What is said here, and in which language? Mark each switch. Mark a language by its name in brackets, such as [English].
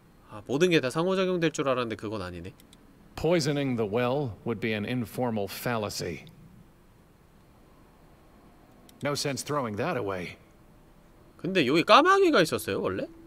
[Korean] 아, 모든 게 다 상호작용될 줄 알았는데 그건 아니네. [English] Poisoning the well would be an informal fallacy. No sense throwing that away. [Korean] 근데 여기 까마귀가 있었어요, 원래?